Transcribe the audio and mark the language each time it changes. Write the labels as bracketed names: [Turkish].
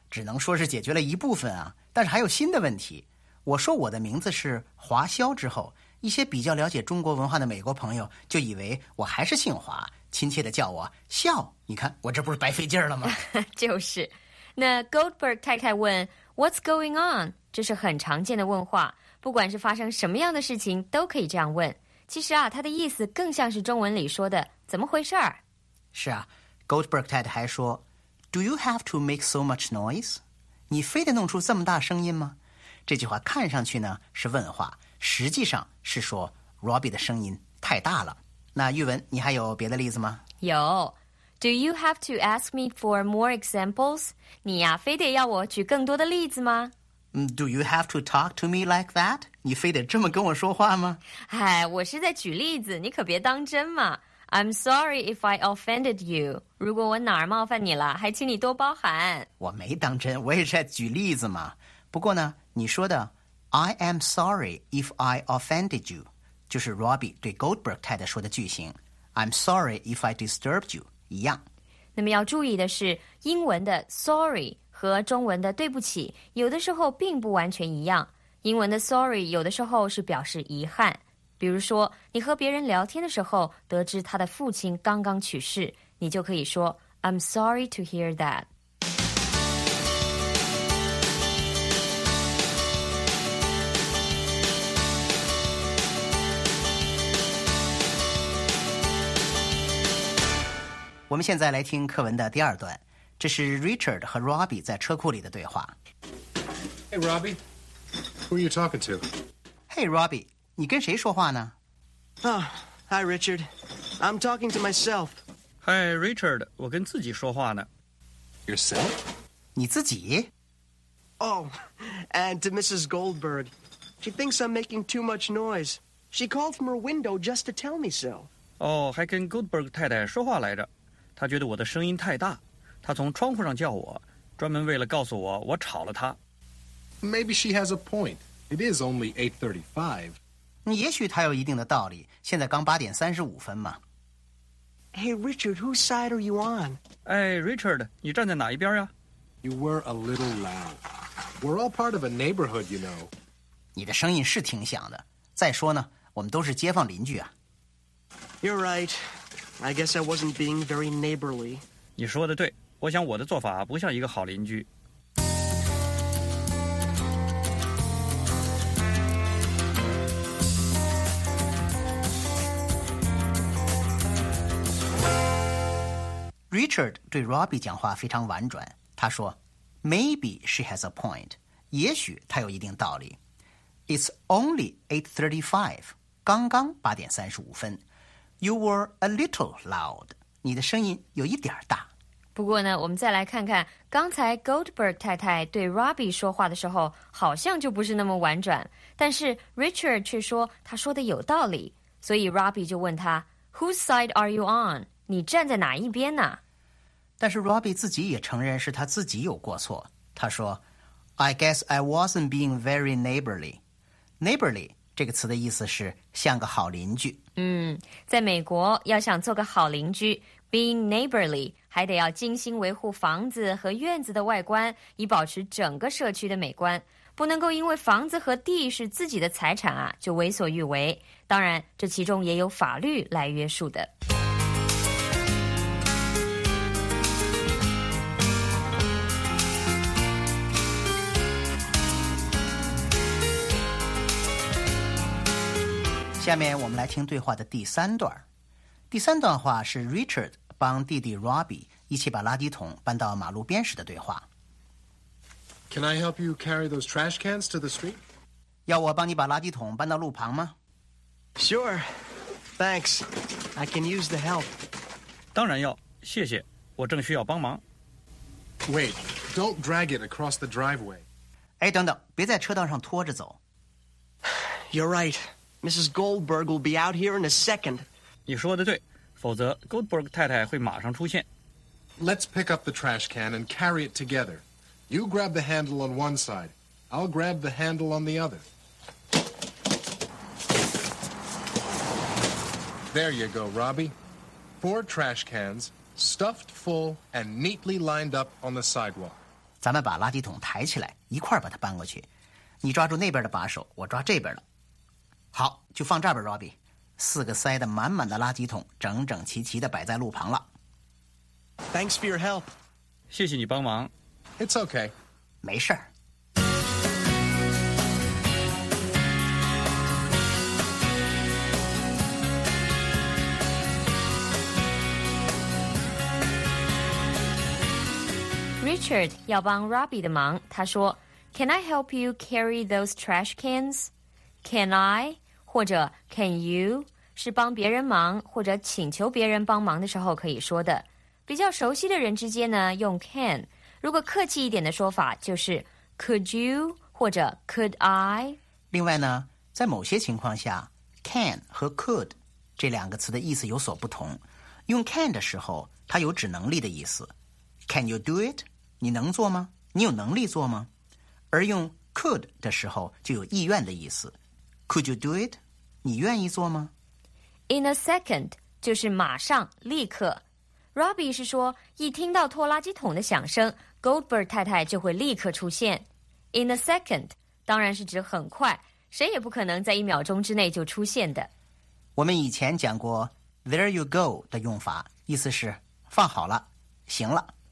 [Chinese] 只能说是解决了一部分啊，但是还有新的问题。我说我的名字是华笑之后，一些比较了解中国文化的美国朋友就以为我还是姓华，亲切地叫我笑。你看我这不是白费劲了吗？就是。那 Goldberg 太太问 [English] What's going on， [Chinese] 这是很常见的问话，不管是发生什么样的事情都可以这样问。其实啊，他的意思更像是中文里说的怎么回事儿。是啊， Goldberg 太太还说 [English] Do you have to make so much noise? [Chinese] 你非得弄出这么大声音吗？这句话看上去呢是问话，实际上是说 Robbie 的声音太大了。那玉文，你还有别的例子吗？有。 [English] Do you have to ask me for more examples? [Chinese] 你呀，非得要我举更多的例子吗？ [English] Do you have to talk to me like that? [Chinese] 你非得这么跟我说话吗？哎，我是在举例子，你可别当真嘛。 [English] I'm sorry if I offended you. [Chinese] 如果我哪儿冒犯你了，还请你多包涵。我没当真，我也是在举例子嘛。不过呢，你说的 [English] I am sorry if I offended you [Chinese] 就是 Robbie 对 Goldberg 太太说的句型， [English] I'm sorry if I disturbed you [Chinese] 一样。那么要注意的是，英文的 sorry和中文的对不起有的时候并不完全一样。英文的 sorry 有的时候是表示遗憾，比如说你和别人聊天的时候得知他的父亲刚刚去世，你就可以说 [English] I'm sorry to hear that。 [Chinese] 我们现在来听课文的第二段，这是 Richard 和 Robbie 在车库里的对话。 [English] Hey Robbie, who are you talking to? [Chinese] Hey Robbie, 你跟谁说话呢？ [English] Oh, Hi, Richard. I'm talking to myself. [Chinese] Hi, Richard. 我跟自己说话呢。 [English] Yourself? [Chinese] 你自己？ [English] Oh, and to Mrs. Goldberg. She thinks I'm making too much noise. She called from her window just to tell me so. [Chinese] 哦，还跟 Goldberg 太太说话来着。她觉得我的声音太大。她从窗户上叫我，专门为了告诉我我吵了她。 [English] Maybe she has a point. It is only 8:35. [Chinese] 你也许他有一定的道理，现在刚8:35嘛。 [English] Hey, Richard, whose side are you on? [Chinese] Hey, Richard, 你站在哪一边呀？ [English] You were a little loud. We're all part of a neighborhood, you know. [Chinese] 你的声音是挺响的。再说呢，我们都是街坊邻居啊。 [English] You're right. I guess I wasn't being very neighborly. [Chinese] 你说的对，我想我的做法不像一个好邻居。 Richard 对 Robbie 讲话非常婉转，他说 [English] Maybe she has a point， [Chinese] 也许她有一定道理。 [English] It's only 8:35， [Chinese] 刚刚8:35。 [English] You were a little loud， [Chinese] 你的声音有一点大。不过呢，我们再来看看刚才 Goldberg 太太对 Robbie 说话的时候好像就不是那么婉转，但是 Richard 却说他说的有道理，所以 Robbie 就问他 [English] Whose side are you on？ [Chinese] 你站在哪一边呢？但是 Robbie 自己也承认是他自己有过错。他说 [English] I guess I wasn't being very neighborly. [Chinese] Neighborly 这个词的意思是像个好邻居。嗯，在美国要想做个好邻居， [English] being neighborly [Chinese] 还得要精心维护房子和院子的外观，以保持整个社区的美观，不能够因为房子和地是自己的财产啊就为所欲为。当然这其中也有法律来约束的。下面我们来听对话的第三段。第三段话是 Richard 帮弟弟 Robbie 一起把垃圾桶搬到马路边时的对话。 [English] Can I help you carry those trash cans to the street? [Chinese] 要我帮你把垃圾桶搬到路旁吗？ [English] Sure. Thanks. I can use the help. [Chinese] 当然要，谢谢，我正需要帮忙。 [English] Wait, don't drag it across the driveway. [Chinese] 哎，等等，别在车道上拖着走。 [English] You're right. Mrs. Goldberg will be out here in a second. [Chinese] 你说的对，否则 Goldberg 太太会马上出现。 [English] Let's pick up the trash can and carry it together. You grab the handle on one side. I'll grab the handle on the other. There you go, Robbie. 4 trash cans, stuffed full and neatly lined up on the sidewalk. [Chinese] 咱们把垃圾桶抬起来，一块把它搬过去。你抓住那边的把手，我抓这边的。好，就放这儿吧 ，Robbie。四个塞得满满的垃圾桶，整整齐齐地摆在路旁了。 [English] Thanks for your help。 [Chinese] 谢谢你帮忙。 [English] It's okay。 [Chinese] 没事儿。 Richard 要帮 Robbie 的忙，他说 [English] ：“Can I help you carry those trash cans? Can I?” [Chinese] 或者 can you 是帮别人忙或者请求别人帮忙的时候可以说的。比较熟悉的人之间呢用 can， 如果客气一点的说法就是 could you 或者 could I。另外呢，在某些情况下 can 和 could 这两个词的意思有所不同。用 can 的时候它有指能力的意思， [English] can you do it， [Chinese] 你能做吗，你有能力做吗，而用 could 的时候就有意愿的意思。 [English] Could you do it? [Chinese] 你愿意做吗？ [English] In a second, [Chinese] 就是马上、立刻。 Robbie 是说，一听到拖垃圾桶的响声， Goldberg 太太就会立刻出现。 [English] In a second, [Chinese] 当然是指很快，谁也不可能在一秒钟之内就出现的。我们以前讲过 [English] there you go [Chinese] 的用法，意思是放好了，行了。